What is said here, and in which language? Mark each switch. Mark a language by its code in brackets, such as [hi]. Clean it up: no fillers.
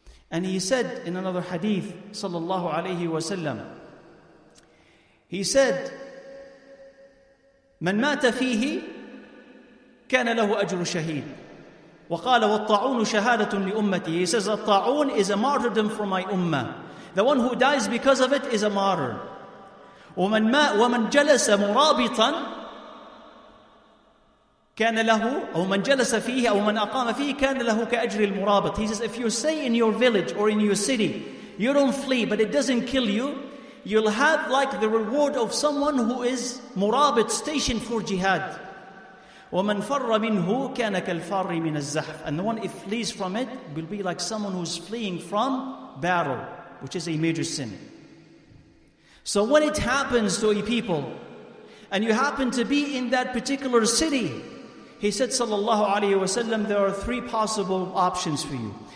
[en] And he said in another hadith sallallahu alayhi wa sallam, he said, [ar] من مات فيه كان له أجر شهيد وقال والطاعون شهادة لأمتي. [en] He says, الطاعون is a martyrdom for my ummah. The one who dies because of it is a martyr. [ar] ومن جلس مرابطا كان له أو من جلس فيه أو من أقام فيه كان له كأجر المرابط. [en] He says, if you stay in your village or in your city, you don't flee, but it doesn't kill you, you'll have like the reward of someone who is murabit, stationed for jihad. [ar] ومن فر منه كان كالفار من الزحف. [en] And the one if flees from it will be like someone who's fleeing from battle, which is a major sin. So when it happens to a people, and you happen to be in that particular city, he said sallallahu alayhi wa sallam, there are three possible options for you.